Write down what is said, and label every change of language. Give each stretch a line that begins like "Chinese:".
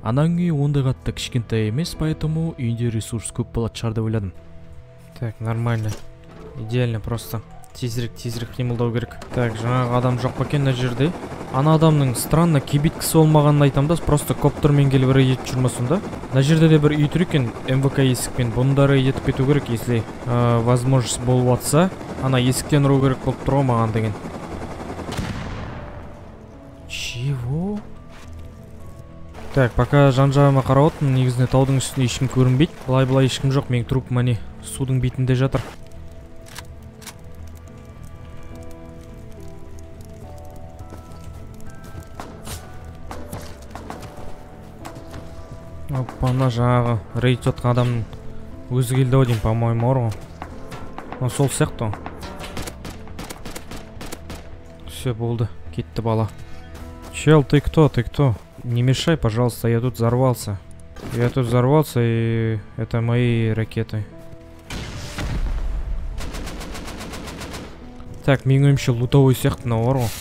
Kazakh: Анаң үй ондай ғатты кішкентай емес, поэтому үйінде ресурс көп болады шығар деп ойладым.
Russian: Так, нормально. Идеально просто.
Kazakh: Тезірек қимылдау керек. Так, жаңағы адам жоқ па екен мына жерде? Ана адамның странно кебеткісі олмағанын айтам да, просто коптермен келіп рейдет жүрмесін да. Мына жерде де бір үй тұр екен, МВК есікпен. Бұнда рейдетіп кету керек,
Russian: если возможность
Kazakh: болып жатса. Ана есіктен ұру керек болып тұр ғой маған деген. Чего? Так, пока жан-жағыма қарап отырмын, негізінде таудың үстінде ешкім көрінбейді. Былай-былай ешкім жоқ, менің трупым әне судың бетінде жатыр. Опана, жаңағы рейд жатқан адам өзі келді ау деймін,
Russian: по-моему
Kazakh: бар ғой. Сол сияқты ғой. Все болды, кетті бала.
Russian: Чел, ты кто? Не мешай, пожалуйста, я тут взорвался. Я тут взорвался, и это мои ракеты.
Kazakh: Так, менің ойымша лутовой сияқтыны бар ғой.